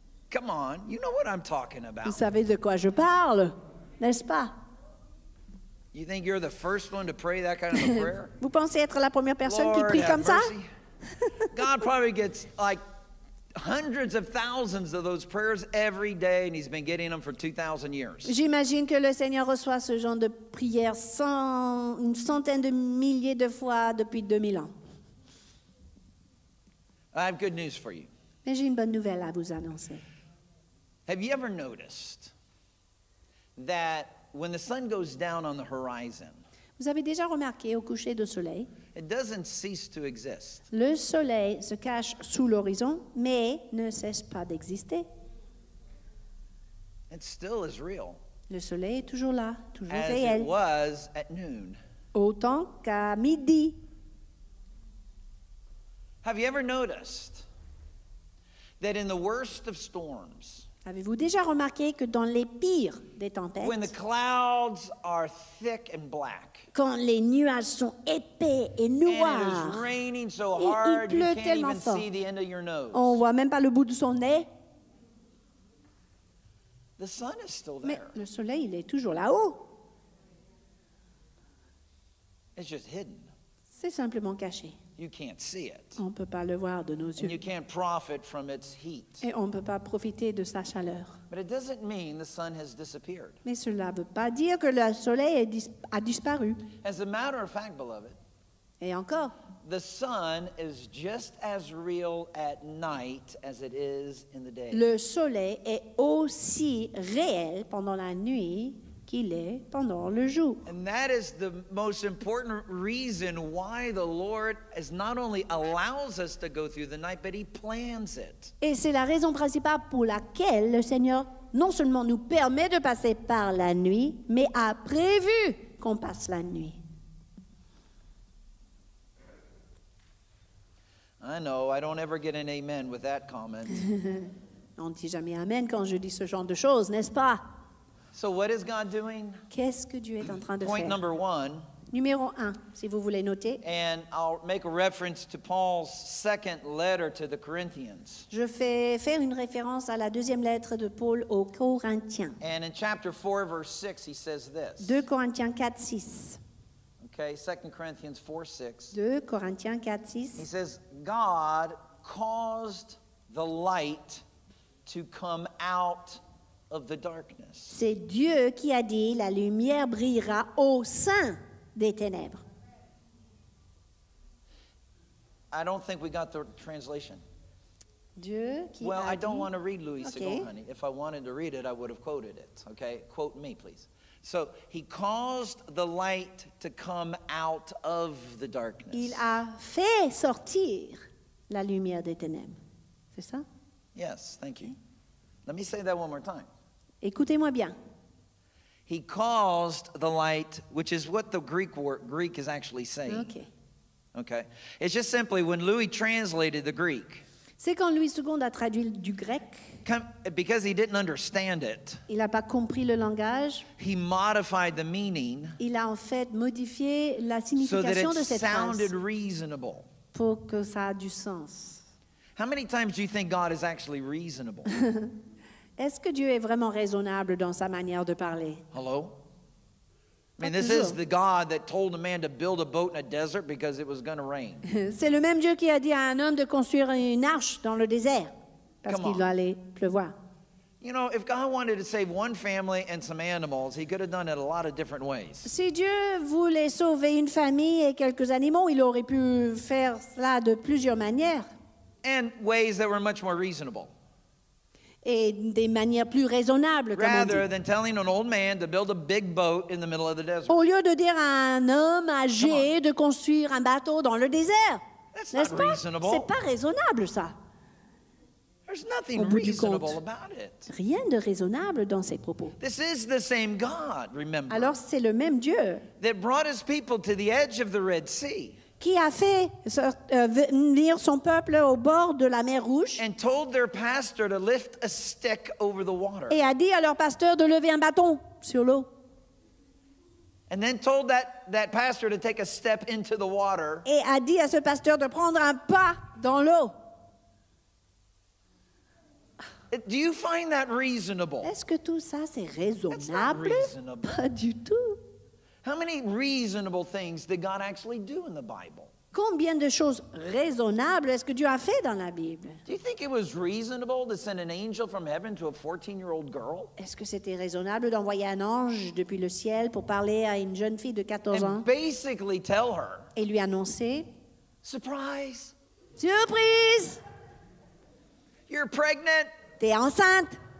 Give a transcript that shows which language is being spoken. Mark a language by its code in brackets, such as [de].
[en] Come on, you know what I'm talking about. [fr] Vous savez de quoi je parle, n'est-ce pas? [en] You think you're the first one to pray that kind of a prayer? [fr] Vous pensez être la première personne [en] Lord [fr] qui prie comme [en] mercy. [fr] Ça? [en] God probably gets like hundreds of thousands of those prayers every day, and he's been getting them for 2,000 years. [fr] J'imagine que le Seigneur reçoit ce genre de prières une centaine de milliers de fois depuis 2000 ans. [en] I have good news for you. [fr] Mais j'ai une bonne nouvelle à vous annoncer. [en] Have you ever noticed that when the sun goes down on the horizon, [fr] vous avez déjà remarqué au coucher de soleil, [en] it doesn't cease to exist. [fr] Le soleil se cache sous l'horizon, mais ne cesse pas d'exister. [en] It still is real. [fr] Le soleil est toujours là, toujours réel. [en] As it was at noon. [fr] Autant qu'à midi. [en] Have you ever noticed that in the worst of storms, [fr] avez-vous déjà remarqué que dans les pires des tempêtes, [en] when the clouds are thick and black, [fr] quand les nuages sont épais et noirs, [en] and it is raining so hard, [fr] il pleut [en] you [fr] tellement [en] can't even [fr] fort, [en] see the end of your nose, [fr] on voit même pas le bout de son nez, [en] the sun is still there. [fr] Mais le soleil, il est toujours là-haut. [en] It's just hidden. [fr] C'est simplement caché. [en] You can't see it. [fr] On peut pas le voir de nos yeux. [en] And you can't profit from its heat. [fr] Et on peut pas profiter de sa chaleur. [en] But it doesn't mean the sun has disappeared. [fr] Mais cela veut pas dire que le soleil a disparu. [en] As a matter of fact, beloved. [fr] Et encore. [en] The sun is just as real at night as it is in the day. [fr] Le soleil est aussi réel pendant la nuit qu'il est pendant le jour. [en] And that is the most important reason why the Lord is not only allows us to go through the night, but he plans it. [fr] Et c'est la raison principale pour laquelle le Seigneur non seulement nous permet de passer par la nuit, mais a prévu qu'on passe la nuit. [en] I know, I don't ever get an amen with that comment. [fr] On ne dit jamais amen quand je dis ce genre de choses, n'est-ce pas? [en] So what is God doing? [fr] Qu'est-ce que Dieu est en train de [en] Point [fr] faire? [en] Number one. [fr] Numéro un, si vous voulez noter. [en] And I'll make a reference to Paul's second letter to the Corinthians. [fr] Je fais faire une référence à la deuxième lettre de Paul aux Corinthiens. [en] And in chapter 4, verse 6, he says this. [fr] 2 Corinthiens 4, 6. [en] Okay, 2 Corinthians 4, 6. [fr] 2 Corinthiens 4, 6. [en] He says, God caused the light to come out of the darkness. [fr] C'est Dieu qui a dit la lumière brillera au sein des ténèbres. [en] I don't think we got the translation. [fr] Dieu qui [en] well, [fr] a [en] I Well, I don't want to read Louis okay. Segal, honey. If I wanted to read it, I would have quoted it, okay? Quote me, please. So, he caused the light to come out of the darkness. [fr] Il a fait sortir la lumière des ténèbres. C'est ça? [en] Yes, thank you. Okay. Let me say that one more time. [fr] Écoutez-moi bien. [en] He caused the light, which is what the Greek is actually saying. Okay. Okay. It's just simply when Louis translated the Greek. [fr] C'est quand Louis II a traduit du grec. [en] Because he didn't understand it. [fr] Il a pas compris le langage. [en] He modified the meaning. [fr] Il a en fait modifié la signification [en] so that [fr] de cette phrase. [en] So it sounded reasonable. [fr] Pour que ça a du sens. [en] How many times do you think God is actually reasonable? [fr] Est-ce que Dieu est vraiment raisonnable dans sa manière de parler? [en] Hello? [fr] Pas [en] I mean, [fr] toujours. [en] This is the God that told a man to build a boat in a desert because it was going to rain. [fr] C'est le même Dieu qui a dit à un homme de construire une arche dans le désert parce qu'il allait pleuvoir. [en] You know, if God wanted to save one family and some animals, he could have done it a lot of different ways. [fr] Si Dieu voulait sauver une famille et quelques animaux, il aurait pu faire cela de plusieurs manières. [en] And ways that were much more reasonable. [fr] Et des manières plus raisonnables, comme [en] Rather [fr] on dit. [en] Than telling an old man to build a big boat in the middle of the desert. [fr] Au lieu de dire à un homme âgé de construire un bateau dans le désert. [en] That's not reasonable. [fr] C'est pas raisonnable, ça. [en] There's nothing reasonable about it. [fr] Rien de raisonnable dans ces propos. [en] This is the same God, remember. [fr] Alors c'est le même Dieu. [en] That brought his people to the edge of the Red Sea. [fr] Qui a fait venir son peuple au bord de la mer Rouge. [en] And told their pastor to lift a stick over the water. [fr] Et a dit à leur pasteur de lever un bâton sur l'eau. [en] And then told that pastor to take a step into the water. [fr] Et a dit à ce pasteur de prendre un pas dans l'eau. [en] Do you find that reasonable? [fr] Est-ce que tout ça c'est raisonnable? [en] That's not reasonable. [fr] Pas du tout. [en] How many reasonable things did God actually do in the Bible? [fr] Combien de choses raisonnables est-ce que Dieu a fait dans la Bible? [en] Do you think it was reasonable to send an angel from heaven to a 14-year-old girl? [fr] Est-ce que c'était raisonnable d'envoyer un ange depuis le ciel pour parler à une jeune fille de 14 ans? [en] And basically tell her. [fr] Et lui annoncer. [en] Surprise. [fr] Surprise. [en] You're pregnant. [fr] T'es enceinte.